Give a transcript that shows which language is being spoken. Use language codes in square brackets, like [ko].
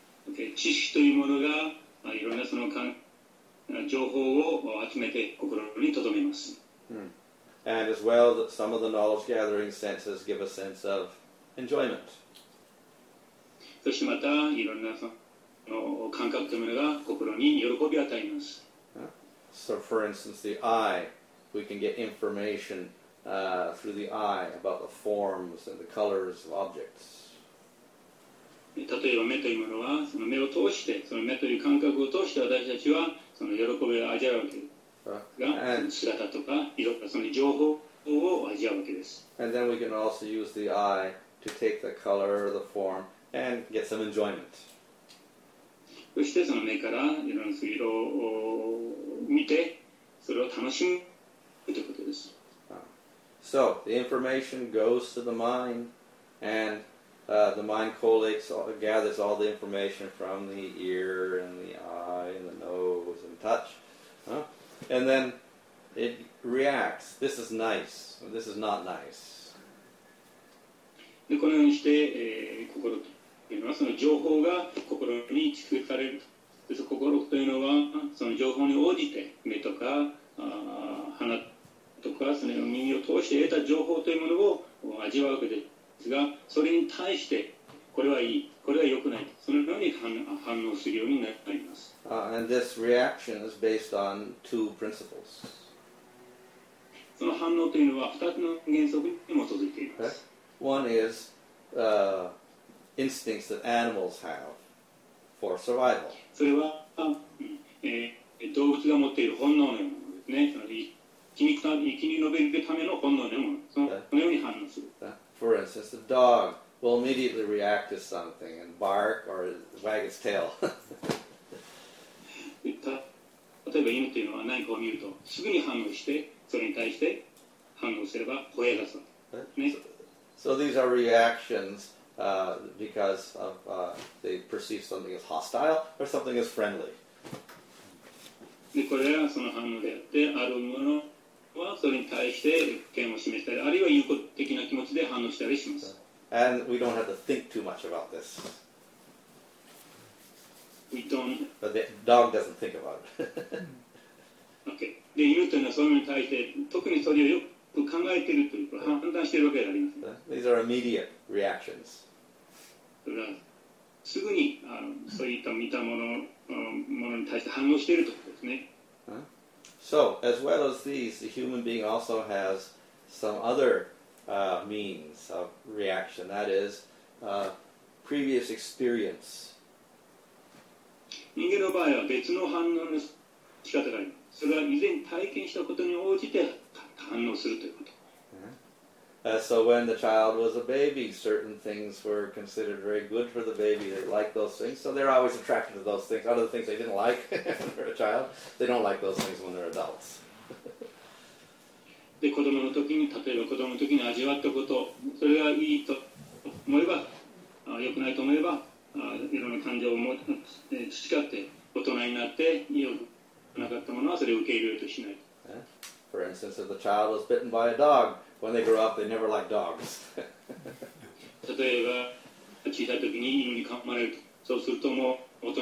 [ja] Okay, 知識というものが、いろんなその情報を集めて心に留めます。 [en] And as well, that some of the knowledge gathering senses give a sense of enjoyment. [ja] そしてまた、いろんなその感覚というものが心に喜びを与えます。 [en] So for instance, the eye, we can get information through the eye about the forms and the colors of objects. [ja] 例えば目というものは、その目を通して、その目という感覚を通して私たちはその喜びを味わうわけですが、姿とか色とかその情報を味わうわけです。 [en] And then we can also use the eye to take the color or the form and get some enjoyment. [ja] そしてその目からいろんな色を見てそれを楽しむということです。 [en] So, the information goes to the mind and the mind collates, gathers all the information from the ear and the eye and the nose and touch. And then it reacts. This is nice. This is not nice. [ja] でこのようにして、心と。その情報が心に蓄積されるで心というのはその情報に応じて目とか鼻とかその耳を通して得た情報というものを味わうわけですがそれに対してこれはいいこれは良くないそのように反応するようになります、 [en] and this reaction is based on two principles. [ja] その反応というのは2つの原則に基づいています、 [en] okay. One is instincts that animals have for survival. [ja] それは、動物が持っている本能のようなものですね。生き延びるための本能のようなもの。そのように反応する。 [en] For instance, the dog will immediately react to something and bark or wag its tail. [ja] 例えば犬というのは何かを見るとすぐに反応して、それに対して反応すれば吠え出す。ね。 [en] So these are reactions. Because of they perceive something as hostile or something as friendly. [ja] でこれはその反応であってあるものはそれに対して嫌悪を示したりあるいは友好的な気持ちで反応したりします。 [en] And we don't have to think too much about this. We don't. But the dog doesn't think about it. okay. [ja] で犬というのはそれに対して特にそれをよく考えているというか判断しているわけではありません。 [en] These are immediate. Reactions. [ja] それはすぐにそういった見たもの、ものに対して反応しているということですね。 [en] So, as well as these, the human being also has some other means of reaction. That is, previous experience. [ja] 人間の場合は別の反応の仕方があります。それは以前体験したことに応じて反応するということ。 [en] So when the child was a baby, certain things were considered very good for the baby. They liked those things, so they're always attracted to those things. Other things they didn't like when they're a child, they don't like those things when they're adults. [ja] で、子供の時に、例えば子供の時に味わったこと、それがいいと思えば、良くないと思えば、いろんな感情を培って、大人になって、良くなかったものはそれを受け入れるとしない。 [en] For instance, if the child was bitten by a dog,When they grow up, they never like dogs. [ja] 例えば、小さい時に犬に噛まれると、そうするともう